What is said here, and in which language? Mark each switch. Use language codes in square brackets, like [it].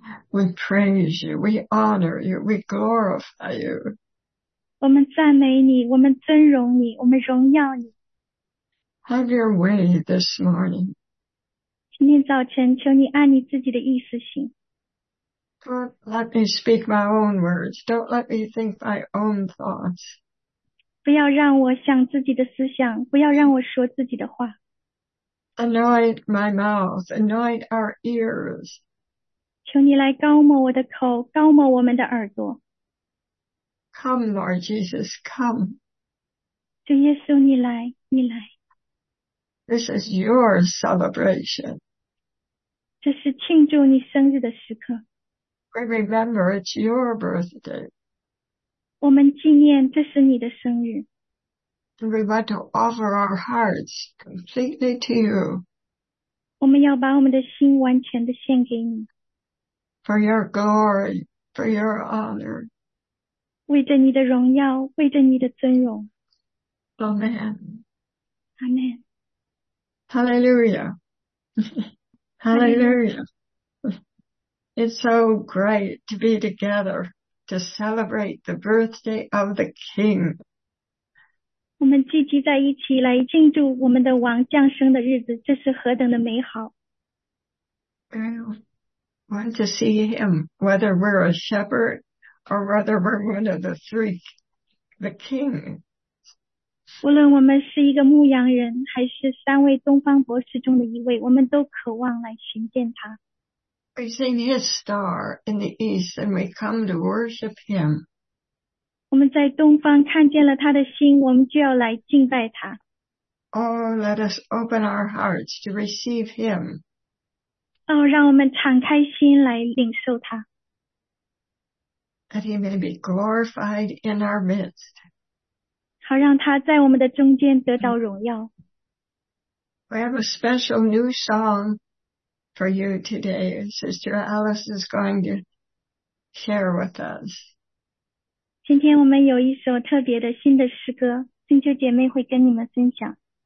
[en] We praise you, we honor you, we glorify you. [zh] 我们赞美你，我们尊荣你，我们荣耀你。 [en] Have your way this morning. [zh] 今天早晨，求你按你自己的意思行。 [en] Don't let me speak my own words. Don't let me think my own thoughts. [zh] 不要让我想自己的思想，不要让我说自己的话。 [en] Anoint my mouth, anoint our ears. [zh] 求你来膏抹我的口，膏抹我们的耳朵。 [en] Come, Lord Jesus, come. [zh] 主耶稣，你来，你来。 [en] This is your celebration. [zh] 这是庆祝你生日的时刻。 [en] We remember it's your birthday. [zh] 我们纪念这是你的生日。 [en] We want to offer our hearts completely to you. [zh] 我们要把我们的心完全的献给你。 [en] For your glory, for your honor. [zh] 为着你的荣耀，为着你的尊荣。 [en] Amen. Amen. Hallelujah. Hallelujah. It's so great to be together to celebrate the birthday of the King. [zh] 我们聚集在一起来庆祝我们的王降生的日子，这是何等的美好。 [en] I want to see him, whether we're a shepherd or whether we're one of the three, the King. [zh] 无论我们是一个牧羊人，还是三位东方博士中的一位，我们都渴望来寻见他。 [en] We sing his star in the east and we come to worship him. [zh] 我们在东方看见了他的心，我们就要来敬拜他。 [en] Oh, let us open our hearts to receive him. [zh] 哦，让我们敞开心来领受他。 [en] That he may be glorified in our midst. [zh] 好，让他在我们的中间得到荣耀。 [en] We have a special new song for you today. Sister Alice is going to share with us. [zh] 今天我们有一首特别的新的诗歌，星球姐妹会跟你们分享。